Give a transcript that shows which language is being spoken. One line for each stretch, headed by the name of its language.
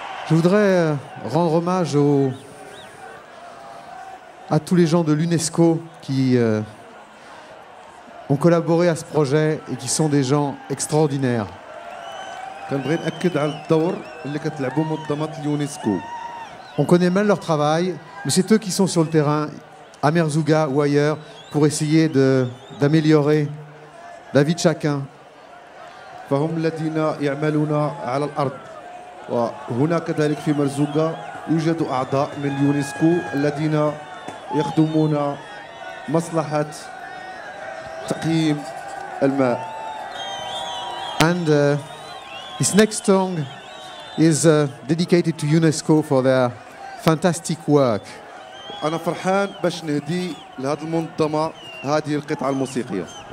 French: Je voudrais rendre hommage aux, à tous les gens de l'UNESCO qui ont collaboré à ce projet et qui sont des gens extraordinaires.
Arabic: كنبغي ناكد على الدور اللي كتلعبوا منظمات اليونسكو.
French: On connaît mal leur travail, mais c'est eux qui sont sur le terrain à Merzouga ou ailleurs pour essayer de d'améliorer la vie de chacun.
Arabic: فهم الذين يعملون على الارض وهنا كذلك في مرزوقة يوجد اعضاء من اليونسكو الذين يخدمون مصلحة تقييم الماء.
English: And this next song is dedicated to UNESCO for their fantastic work.
Arabic: انا فرحان باش نهدي لهاد المنظمة هذه القطعة الموسيقية.